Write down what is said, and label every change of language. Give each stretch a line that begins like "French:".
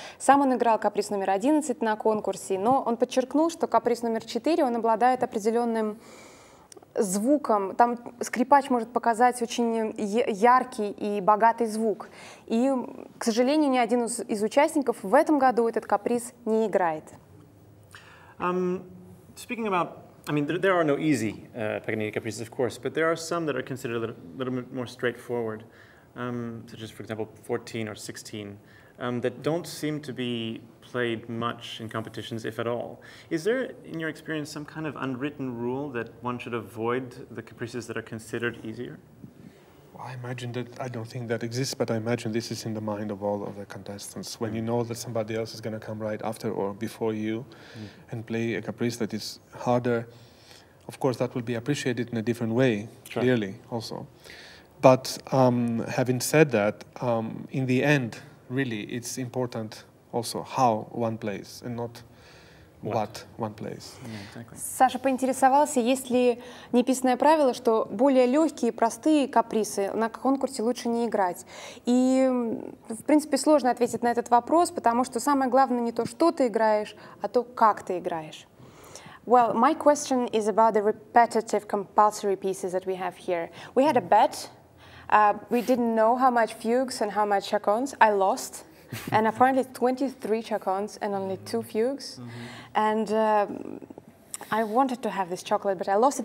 Russian: Сам он играл каприз номер 11 на конкурсе, но он подчеркнул, что каприз номер 4, он обладает определенным звуком. Там скрипач может показать очень яркий и богатый звук. И, к сожалению, ни один из участников в этом году этот каприз не играет.
English: Speaking about... I mean, there are no easy Paganini caprices, of course, but there are some that are considered a little bit more straightforward, such as, for example, 14 or 16, that don't seem to be played much in competitions, if at all. Is there, in your experience, some kind of unwritten rule that one should avoid the caprices that are considered easier? Well, I imagine that, I don't think that exists, but I imagine this is in the mind of all of the contestants. When you know that somebody else is going to come right after or before you and play a caprice that is harder, of course that will be appreciated in a different way, clearly also. But having said that, in the end, really, it's important also how one plays and not what one plays.
Russian: Саша поинтересовался, есть ли неписанное правило, что более легкие, простые капризы на конкурсе лучше не играть. И, в принципе, сложно ответить на этот вопрос, потому что самое главное не то, что ты играешь, а то, как ты играешь.
English: Well, my question is about the repetitive compulsory pieces that we have here. We had a bet. We didn't know how much fugues and how much chaconnes. I lost. And apparently 23 chaconnes and only 2 fugues. Mm-hmm. And I wanted to have this chocolate, but I lost it.